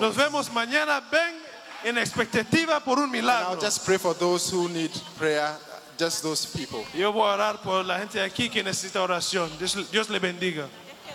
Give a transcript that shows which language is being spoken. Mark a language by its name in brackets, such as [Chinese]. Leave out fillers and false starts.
[Spanish] Nos vemos mañana, ven en expectativa por un milagro. [English] And I'll just pray for those who need prayer, just those people. [Spanish] Yo voy a orar por la gente aquí que necesita oración. Dios le bendiga.